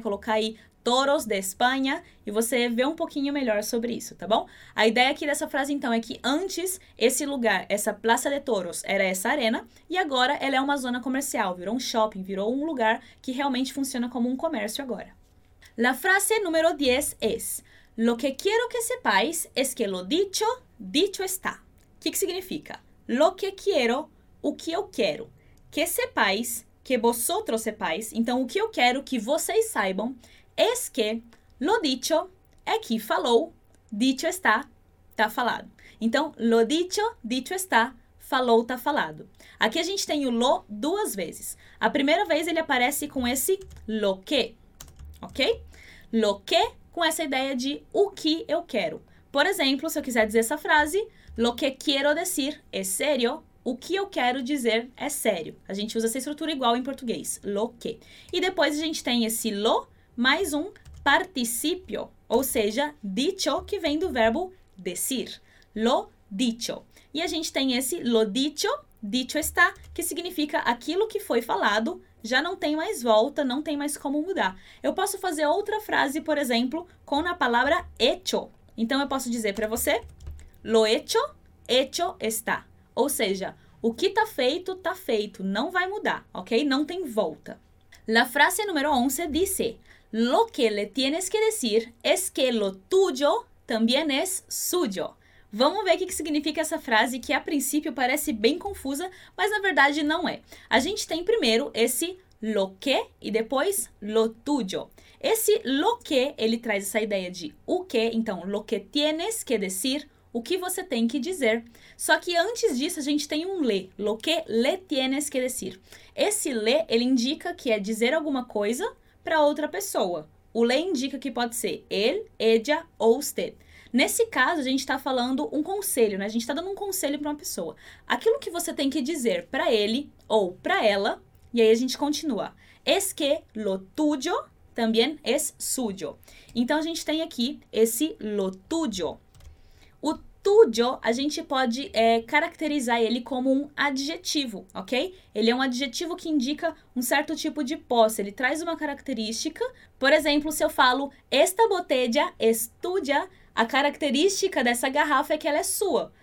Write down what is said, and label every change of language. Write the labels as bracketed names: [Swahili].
[Portuguese] Colocar aí Toros de Espanha e você vê um pouquinho melhor sobre isso, tá bom? A ideia aqui dessa frase, então, é que antes esse lugar, essa Plaza de Toros, era essa arena e agora ela é uma zona comercial, virou um shopping, virou um lugar que realmente funciona como um comércio agora. [Spanish] La frase número 10 es: Lo que quiero que sepáis es que lo dicho, dicho está. [Portuguese] O que, que significa? [Spanish] Lo que quiero, [Portuguese] o que eu quero. [Spanish] Que sepáis, que vosotros sepáis. [Portuguese] Então, o que eu quero que vocês saibam [Spanish] es que lo dicho [Portuguese] é que falou, [Spanish] dicho está, [Portuguese] tá falado. Então, [Spanish] lo dicho, dicho está, [Portuguese] falou, tá falado. Aqui a gente tem o lo duas vezes. A primeira vez ele aparece com esse lo que. Ok? Lo que com essa ideia de o que eu quero. Por exemplo, se eu quiser dizer essa frase, [Spanish] lo que quiero decir es serio, [Portuguese] o que eu quero dizer é sério. A gente usa essa estrutura igual em português, [Spanish] lo que. [Portuguese] E depois a gente tem esse lo mais um participio, ou seja, dicho, que vem do verbo decir, lo dicho. E a gente tem esse lo dicho, dicho está, que significa aquilo que foi falado, já não tem mais volta, não tem mais como mudar. Eu posso fazer outra frase, por exemplo, com a palavra hecho. Então, eu posso dizer para você, [Spanish] lo hecho, hecho está. [Portuguese] Ou seja, o que tá feito, não vai mudar, ok? Não tem volta. [Spanish] La frase número 11 dice, lo que le tienes que decir es que lo tuyo también es suyo. [Portuguese] Vamos ver o que significa essa frase, que a princípio parece bem confusa, mas na verdade não é. A gente tem primeiro esse lo que e depois lo tuyo. Esse lo que, ele traz essa ideia de o que, então [Spanish] lo que tienes que decir, [Portuguese] o que você tem que dizer. Só que antes disso a gente tem um le, [Spanish] lo que le tienes que decir. [Portuguese] Esse le, ele indica que é dizer alguma coisa para outra pessoa. O le indica que pode ser ele, ella ou usted. Nesse caso, a gente está falando um conselho, né? A gente está dando um conselho para uma pessoa. Aquilo que você tem que dizer para ele ou para ela, e aí a gente continua. [Spanish] Es que lo tuyo también es suyo. [Portuguese] Então, a gente tem aqui esse lo tuyo. O tuyo, a gente pode caracterizar ele como um adjetivo, ok? Ele é um adjetivo que indica um certo tipo de posse. Ele traz uma característica. Por exemplo, se eu falo [Spanish] esta botella es tuya, [Portuguese] a característica dessa garrafa é que ela é sua.